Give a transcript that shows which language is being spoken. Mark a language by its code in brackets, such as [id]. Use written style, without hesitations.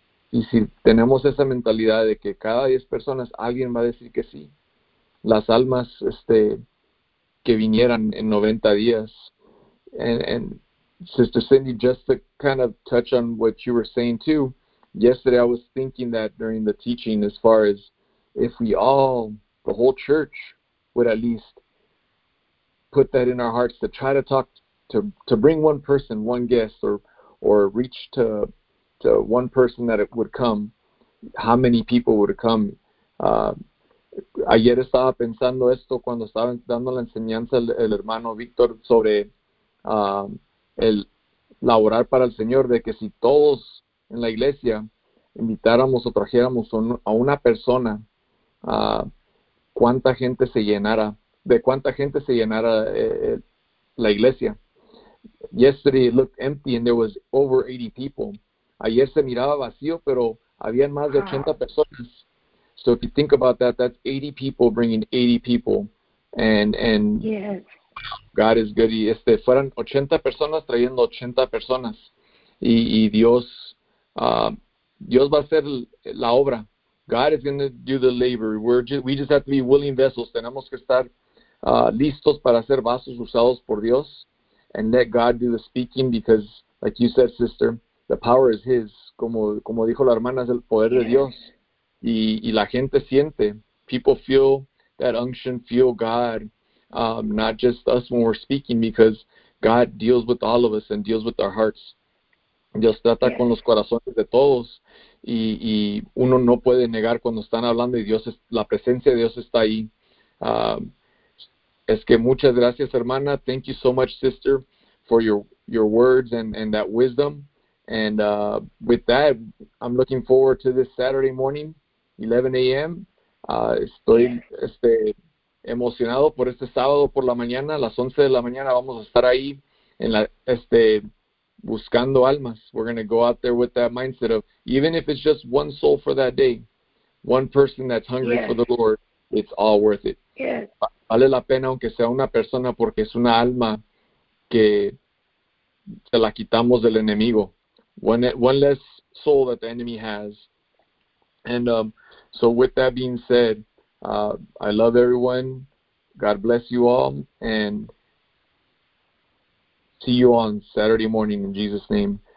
[es] Y si tenemos esa mentalidad de que cada 10 personas alguien va a decir que sí, las almas que vinieran en 90 días. [en] And Sister Cindy, just to kind of touch on what you were saying too, yesterday I was thinking that during the teaching, as far as if we all, the whole church, would at least put that in our hearts to try to talk to bring one person, one guest, or reach to one person that it would come, how many people would come? [es] Ayer estaba pensando esto cuando estaba dando la enseñanza el hermano Víctor sobre el laborar para el Señor, de que si todos en la iglesia invitáramos o trajéramos a una persona, cuánta gente se llenara, de cuánta gente se llenara la iglesia. [en] Yesterday it looked empty and there was over 80 people. [es] Ayer se miraba vacío, pero habían más de 80 personas. [en] So if you think about that, that's 80 people bringing 80 people. And yes. God is good. [es] Y fueran 80 personas trayendo 80 personas. Y Dios... Dios va a hacer la obra. [en] God is going to do the labor. We just have to be willing vessels. [es] Tenemos que estar listos para ser vasos usados por Dios. [en] And let God do the speaking, because, like you said, sister, the power is His. [es] Como dijo la hermana, es el poder de Dios. Y la gente siente. [en] People feel that unction, feel God. Not just us when we're speaking, because God deals with all of us and deals with our hearts. [es] Dios trata con los corazones de todos y uno no puede negar cuando están hablando y Dios la presencia de Dios está ahí. Muchas gracias, hermana. [en] Thank you so much, sister, for your words and that wisdom. And with that, I'm looking forward to this Saturday morning, 11 a.m. [es] Estoy emocionado por este sábado por la mañana, a las 11 de la mañana vamos a estar ahí en la buscando almas. [en] We're going to go out there with that mindset of, even if it's just one soul for that day, one person that's hungry for the Lord, It's all worth it. Yes. [es] Vale la pena aunque sea una persona porque es una alma que se la quitamos del enemigo. [en] One less soul that the enemy has. And so with that being said, I love everyone. God bless you all. And see you on Saturday morning in Jesus' name.